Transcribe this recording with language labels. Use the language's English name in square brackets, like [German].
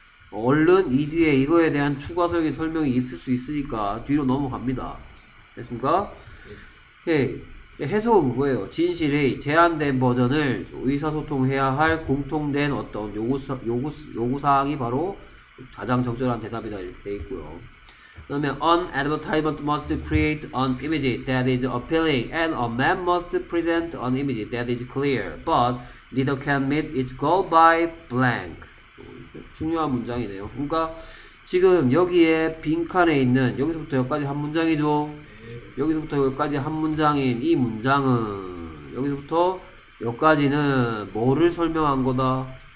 [Korean] 얼른 이 뒤에 이거에 대한 추가 설명이 있을 수 있으니까 뒤로 넘어갑니다. 됐습니까? 네. 예. 해소가 그거예요. 진실의 제한된 버전을 의사소통해야 할 공통된 어떤 요구사항이 바로 가장 적절한 대답이다 이렇게 돼 있고요. [English] 그러면 an advertisement must create an image that is appealing and a man must present an image that is clear but neither can meet its goal by blank. [Korean] 중요한 문장이네요. 그러니까 지금 여기에 빈칸에 있는 여기서부터 여기까지 한 문장이죠. 여기서부터 여기까지 한 문장인 이 문장은 여기서부터 여기까지는 뭐를 설명한 거다?